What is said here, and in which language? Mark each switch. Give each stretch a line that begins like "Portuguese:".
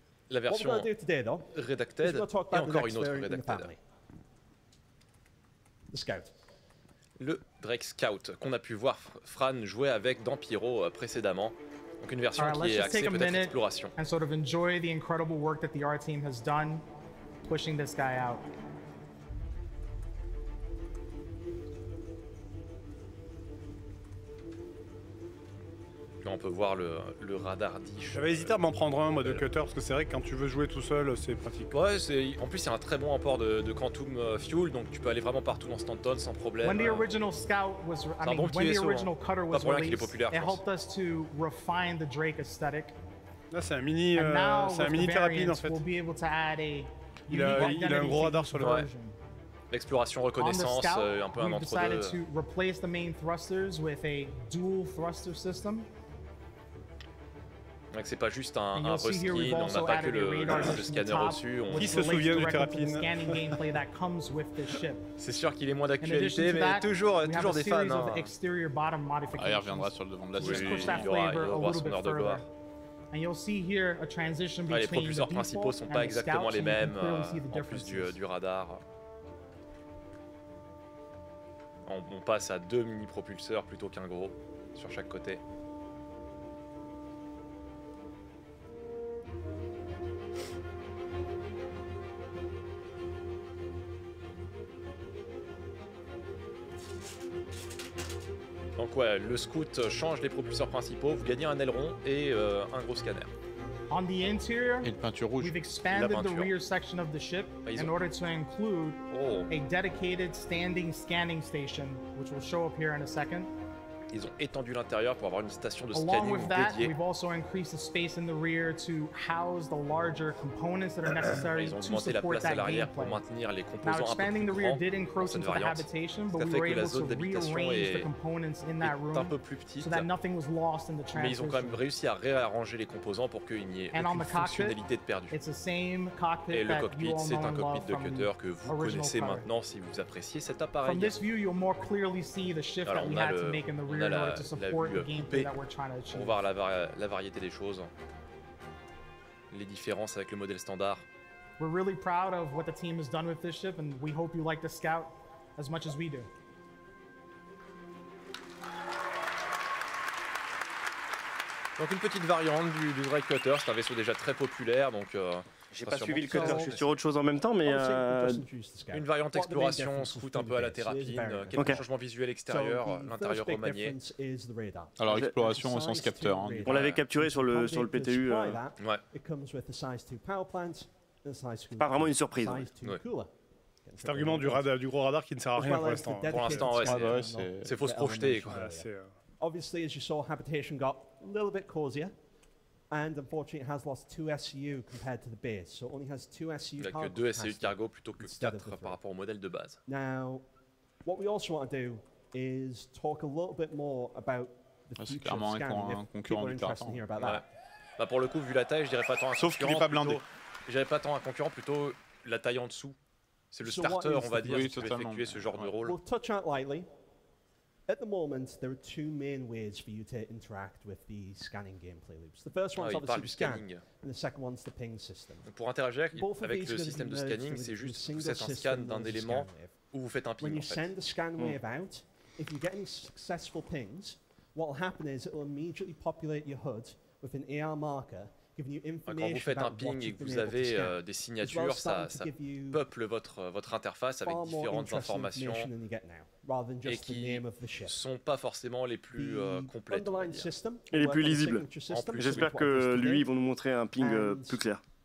French: La version redacted et encore une autre redacted.
English: The Scout.
French: Le Drake Scout qu'on a pu voir Fran jouer avec dans Pyro précédemment. Donc une version qui est axée peut-être sur l'exploration.
English: And sort of enjoy the incredible work that the R team has done pushing this guy out.
French: Là, on peut voir le radar dish. J'avais hésité à m'en prendre un, moi, de cutter, parce que c'est vrai que quand tu veux jouer tout seul, c'est pratique. Ouais, en plus, il y a un très bon emport de Quantum Fuel, donc tu peux aller vraiment partout en Stanton sans problème.
English: When the original Scout was,
French: c'est un bon petit vaisseau, hein. Pas pour rien qu'il est populaire, je pense.
English: The Drake aesthetic.
French: Là, c'est un mini, mini thérapie, en fait.
English: We'll be able to add a
French: il a un gros radar sur le ouais. Exploration, reconnaissance, un peu un entre-deux.
English: We've decided to replace the main thrusters with a dual thruster system.
French: Donc c'est pas juste un reskin, on n'a pas que le scanner au-dessus. Qui se souvient de Terrapin? C'est sûr qu'il est moins d'actualité, mais toujours des fans. Hein. Il reviendra sur le devant de la scène. Il aura son heure de gloire.
English: And you'll see here a transition between
French: les propulseurs principaux ne sont pas exactement les mêmes, en plus du radar. On passe à 2 mini-propulseurs plutôt qu'un gros sur chaque côté. Donc ouais, le scout change les propulseurs principaux, vous gagnez un aileron et un gros scanner.
English: On the interior,
French: et une peinture rouge.
English: We've expanded the rear section of the ship in order to include a dedicated standing scanning station, which will show up here in a second.
French: Ils ont étendu l'intérieur pour avoir une station de scanning dédiée.
English: We've also increased the space in the rear to house the larger components that are necessary to support that gameplay.
French: Ils ont augmenté la place à l'arrière pour maintenir les composants un peu plus grands.
English: Now expanding the rear did but we were able to rearrange the components in that room
French: un peu plus petite,
English: so that nothing was lost in the transition.
French: Mais ils ont quand même réussi à réarranger les composants pour qu'il n'y ait aucune fonctionnalité de perdu.
English: It's the same cockpit.
French: Et le cockpit, c'est un cockpit de cutter que vous connaissez maintenant si vous appréciez cet appareil.
English: From this view, you'll more clearly see the shift that we had to make in the
French: on a la vue coupée pour voir la variété des choses, les différences avec le modèle standard.
English: We're really proud of what the team has done with this ship, and we hope you like the Scout as much as we do.
French: Donc une petite variante du Drake Cutter, c'est un vaisseau déjà très populaire, donc. J'ai pas suivi le cutter, je suis sur autre chose en même temps, mais une variante exploration, scout un peu à la thérapie, quelques changements visuels extérieurs, l'intérieur remanié. Alors exploration au sens capteur. On l'avait capturé sur le PTU. Ouais. C'est pas vraiment une surprise. Ouais. Cet argument du gros radar qui ne sert à rien pour l'instant. Pour l'instant, ouais, c'est faut se projeter.
English: Obviously, as you saw, habitation got a little bit cosier, and unfortunately it has lost 2 SCU compared to the base, so it only has 2 SCU cargo.
French: Il n'y a que 2 SCU cargo plutôt que 4 par rapport au modèle de base.
English: Now, what we also want to do is talk a little bit more about the future of scanning.
French: C'est clairement un concurrent intéressant. Ouais. Bah pour le coup, vu la taille, je dirais pas tant un sauf Sauf qu'il n'est pas blindé. Plutôt, j'avais pas tant un concurrent, plutôt la taille en dessous. C'est le starter, on va dire, qui va effectuer ce genre de rôle.
English: We'll touch on it lightly. At the moment, there are 2 main ways for you to interact with the scanning gameplay loops. The first one is obviously the scan, and the second one is the ping system.
French: Donc pour interagir avec le système de scanning, c'est juste que vous faites un scan d'un élément ou vous faites un ping, en fait.
English: When you send the scan wave out, if you get any successful pings, what will happen is it will immediately populate your HUD with an AR marker.
French: Quand vous faites un ping et que vous avez des signatures, ça peuple votre interface avec différentes informations et qui ne sont pas forcément les plus complètes. Et les plus lisibles. En plus, j'espère que lui, ils vont nous montrer un ping plus clair.